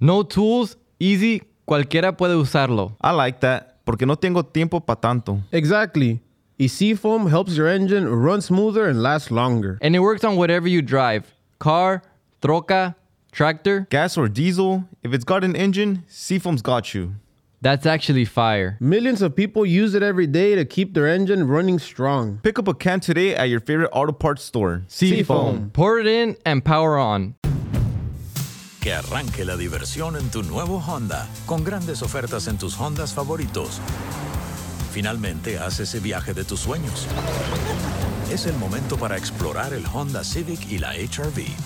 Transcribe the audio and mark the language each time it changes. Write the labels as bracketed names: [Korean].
[English] No tools, easy, [Spanish] cualquiera puede usarlo. [English] I like that, [Spanish] porque no tengo tiempo pa' tanto. [English] Exactly. Y Seafoam helps your engine run smoother and last longer. And it works on whatever you drive. Car, troca, tractor. Gas or diesel. If it's got an engine, Seafoam's got you. That's actually fire. Millions of people use it every day to keep their engine running strong. Pick up a can today at your favorite auto parts store. Seafoam. Pour it in and power on. [Spanish] Que arranque la diversión en tu nuevo Honda, con grandes ofertas en tus Hondas favoritos. finalmente hace ese viaje de tus sueños. Es el momento para explorar el Honda Civic y la HR-V.